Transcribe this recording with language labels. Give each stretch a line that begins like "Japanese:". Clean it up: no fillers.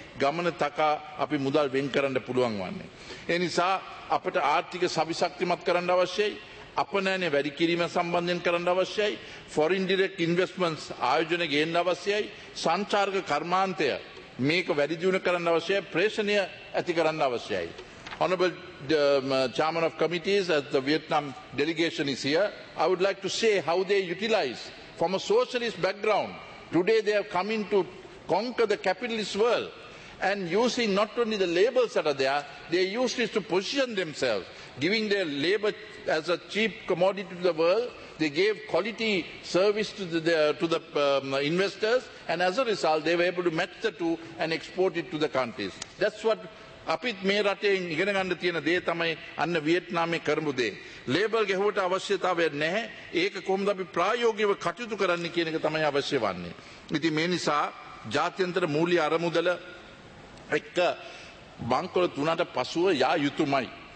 Sinhala: ගමන තකා අපි මුදල් වෙන් කරන්න පුළුවන් වන්නේ. ඒ නිසා අපට ආර්ථික සවිශක්තිමත් කරන්න අවශ්‍යයි, අපනෑනෙ වැඩි කිරීම සම්බන්ධයෙන් කරන්න අවශ්‍යයි, ෆොරින් ඩිරෙක්ට් ඉන්වෙස්ට්මන්ට්ස් ආයෝජනය ගේන්න අවශ්‍යයි, සංචාරක කර්මාන්තය මේක වැඩි දියුණු කරන්න අවශ්‍යයි, ප්‍රේෂණය ඇති කරන්න අවශ්‍යයි.
English: Honorable Chairman of Committees, as the Vietnam delegation is here, I would like to say how they utilize from a socialist background. Today they have come in to conquer the capitalist world and using not only the labels that are there, they use this to position themselves, giving their labor as a cheap commodity to the world. They gave quality service to the investors, and as a result they were able to match the two and export it to the countries. That's what
Sinhala: අපිත් මේ රටෙන් ඉගෙන ගන්න තියෙන දේ තමයි අන්න වියට්නාමේ කරමු දේ. ලේබල් ගෙහුවට අවශ්‍යතාවය නැහැ. ඒක කොහොමද අපි ප්‍රායෝගිකව කටයුතු කරන්න කියන එක තමයි අවශ්‍ය වන්නේ. ඉතින් මේ නිසා ජාත්‍යන්තර මූල්‍ය අරමුදල එක්ක බංකොල තුනට පසුව යා යුතුමයි.